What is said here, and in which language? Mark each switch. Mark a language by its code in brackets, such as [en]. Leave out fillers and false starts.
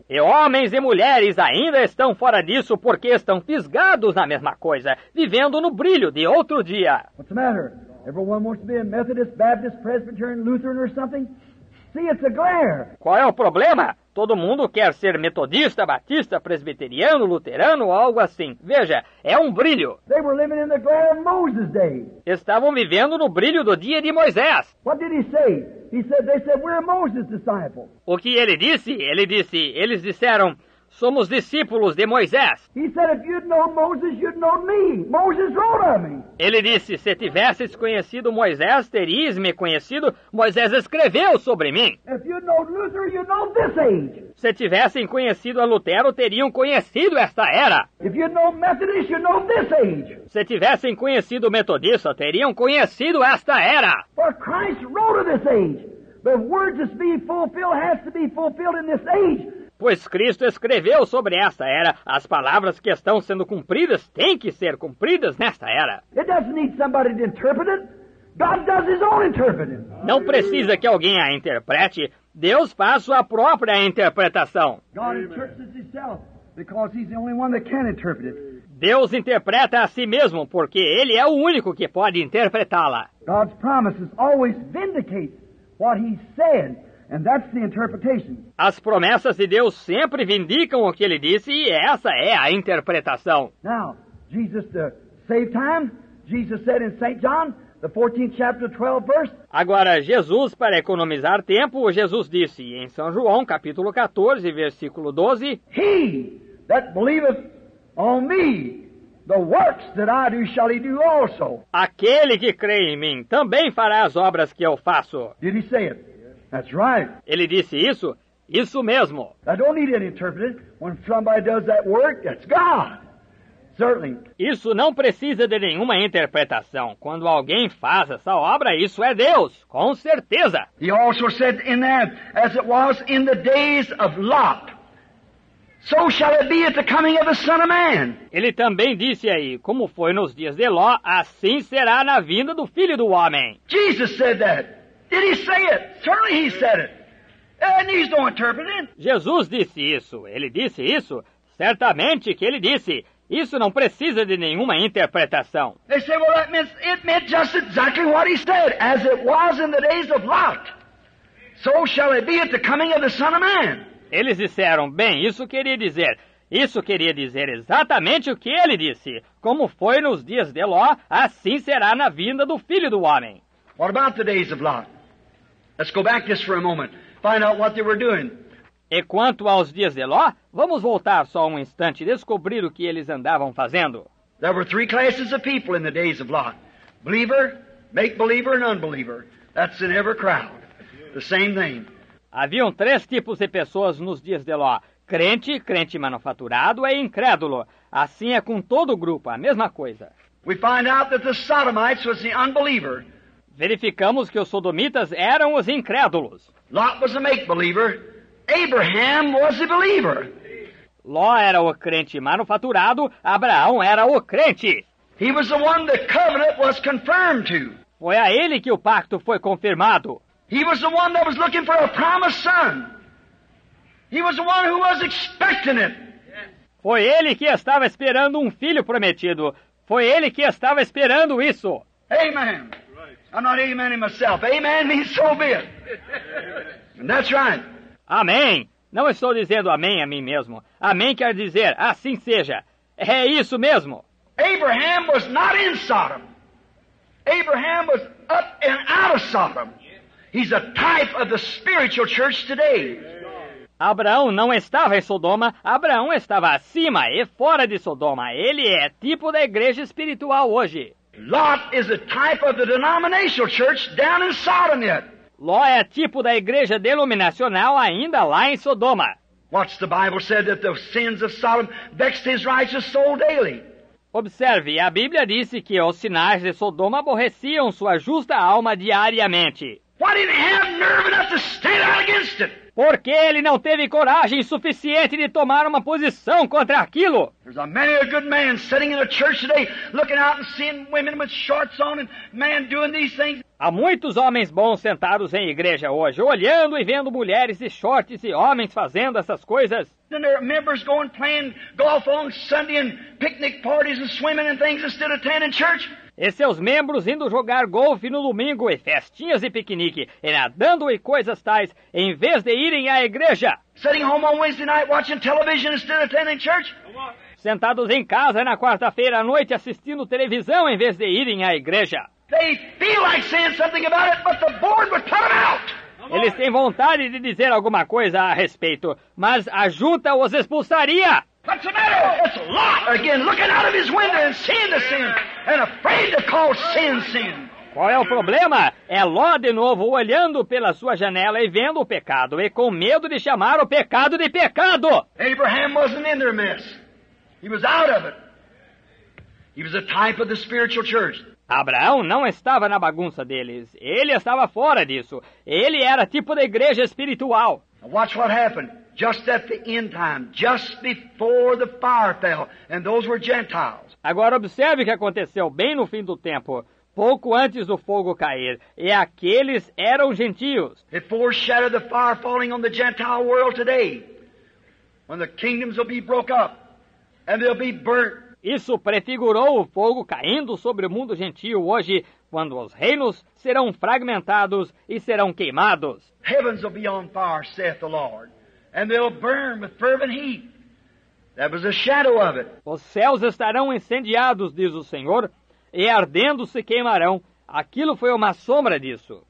[pt] E homens e mulheres ainda estão fora disso porque estão fisgados na mesma coisa, vivendo no brilho de outro dia. [en] What's the matter? Everyone wants to be a Methodist, Baptist, Presbyterian, Lutheran or something? See, it's a glare. [pt] Qual é o problema? Todo mundo quer ser metodista, batista, presbiteriano, luterano ou algo assim. Veja, é um brilho. [en] They were living in the glare of Moses' day. [pt] Estavam vivendo no brilho do dia de Moisés. [en] What did he say? They said, "We're Moses' disciples." [pt] O que ele disse? Ele disse, eles disseram, "Somos discípulos de Moisés." [en] He said, "If you'd known Moses, you'd know me. Moses wrote on me." [pt] Ele disse, "Se tivesses conhecido Moisés, terias me conhecido. Moisés escreveu sobre mim." [en] "If you'd known Luther, you'd know this age." [pt] Se tivessem conhecido a Lutero, teriam conhecido esta era. [en] "If you'd known Methodist, you'd know this age." [pt] Se tivessem conhecido o metodista, teriam conhecido esta era. [en] "For Christ wrote of this age. The word to be fulfilled has to be fulfilled in this age." [pt] Pois Cristo escreveu sobre esta era. As palavras que estão sendo cumpridas têm que ser cumpridas nesta era. [en] It doesn't need somebody to interpret it. God does his own interpreting. [pt] Não precisa que alguém a interprete. Deus faz sua própria interpretação. [en] God interprets himself because he's the only one that can interpret it. [pt] Deus interpreta a si mesmo porque ele é o único que pode interpretá-la. [en] God's promises always vindicate what he said. And that's the interpretation. [pt] As promessas de Deus sempre vindicam o que ele disse e essa é a interpretação. [en] Now, Jesus, to save time, Jesus said in St. John, the 14th chapter, 12th verse. [pt] Agora, Jesus, para economizar tempo, Jesus disse em São João, capítulo 14, versículo 12. [en] "He that believeth on me, the works that I do shall he do also." [pt] Aquele que crê em mim também fará as obras que eu faço. [en] Did he say it? That's right. [pt] Ele disse isso? Isso mesmo. [en] I don't need any interpreting. When somebody does that work, that's God. Certainly. [pt] Isso não precisa de nenhuma interpretação. Quando alguém faz essa obra, isso é Deus, com certeza. [en] He also said in that, "As it was in the days of Lot, so shall it be at the coming of the Son of Man." [pt] Ele também disse aí, como foi nos dias de Ló, assim será na vinda do Filho do Homem. [en] Jesus said that. Did he say it? Certainly he said it. And he's no interpreter. [pt] Jesus disse isso. Ele disse isso. Certamente que ele disse. Isso não precisa de nenhuma interpretação. [en] They say, "Well, that means it meant just exactly what he said. As it was in the days of Lot, so shall it be at the coming of the Son of Man." [pt] Eles disseram, bem, isso queria dizer. Isso queria dizer exatamente o que ele disse. Como foi nos dias de Ló, assim será na vinda do Filho do Homem. [en] What about the days of Lot? Let's go back just for a moment. Find out what they were doing. [pt] E quanto aos dias de Ló, vamos voltar só um instante e descobrir o que eles andavam fazendo. [en] There were three classes of people in the days of Lot. Believer, make-believer, and unbeliever. That's in every crowd. The same thing. [pt] Haviam três tipos de pessoas nos dias de Ló. Crente, crente manufaturado e incrédulo. Assim é com todo o grupo, a mesma coisa. [en] We find out that the Sodomites was the unbeliever. [pt] Verificamos que os sodomitas eram os incrédulos. [en] Lot was a make-believer. Abraham was a believer. [pt] Ló era o crente manufaturado, Abraão era o crente. [en] He was the one the covenant was confirmed to. [pt] Foi a ele que o pacto foi confirmado. [en] He was the one that was looking for a promised son. He was the one who was expecting it. [pt] Foi ele que estava esperando um filho prometido. Foi ele que estava esperando isso. [en] Amen. Right. I'm not amening myself. Amen means so be it. And that's right. [pt] Amém. Não estou dizendo amém a mim mesmo. Amém quer dizer, assim seja. É isso mesmo. [en] Abraham was not in Sodom. Abraham was up and out of Sodom. He's a type of the spiritual church today. [pt] Abraão não estava em Sodoma. Abraão estava acima e fora de Sodoma. Ele é tipo da igreja espiritual hoje. [en] Lot is a type of the denominational church down in Sodom yet. [pt] Ló é tipo da igreja denominacional ainda lá em Sodoma. [en] Watch, the Bible said that the sins of Sodom vexed his righteous soul daily. [pt] Observe, a Bíblia disse que os sinais de Sodoma aborreciam sua justa alma diariamente. [en] Why didn't he have nerve enough to stand out against it? [pt] Por que ele não teve coragem suficiente de tomar uma posição contra aquilo? [en] There's a many a good man sitting in a church today looking out and seeing women with shorts on and men doing these things. [pt] Há muitos homens bons sentados em igreja hoje, olhando e vendo mulheres de shorts e homens fazendo essas coisas. [en] And there are members going playing golf on Sunday and picnic parties and swimming and things instead of attending church. [pt] E seus membros indo jogar golfe no domingo e festinhas e piquenique, e nadando e coisas tais, em vez de irem à igreja. [en] Sitting home on Wednesday night watching television instead of attending church. [pt] Sentados em casa na quarta-feira à noite assistindo televisão em vez de irem à igreja. [en] They feel like saying something about it, but the board would cut them out. [pt] Eles têm vontade de dizer alguma coisa a respeito, mas a junta os expulsaria. [en] What's the matter? It's Lot again looking out of his window and seeing the sin and afraid to call sin sin. [pt] Qual é o problema? É Ló de novo olhando pela sua janela e vendo o pecado e com medo de chamar o pecado de pecado. [en] Abraham wasn't in their mess. He was out of it. He was a type of the spiritual church. [pt] Abraão não estava na bagunça deles. Ele estava fora disso. Ele era tipo da igreja espiritual. [en] Now watch what happened. Just at the end time, just before the fire fell, and those were Gentiles. [pt] Agora observe o que aconteceu bem no fim do tempo, pouco antes do fogo cair, e aqueles eram gentios. [en] It foreshadowed the fire falling on the Gentile world today, when the kingdoms will be broke up, and they'll be burnt. [pt] Isso prefigurou o fogo caindo sobre o mundo gentio hoje, quando os reinos serão fragmentados e serão queimados. [en] Heavens will be on fire, saith the Lord. And they'll burn with fervent heat. That was a shadow of it. [pt] Os céus estarão incendiados, diz o Senhor, e ardendo se queimarão. Aquilo foi uma sombra disso.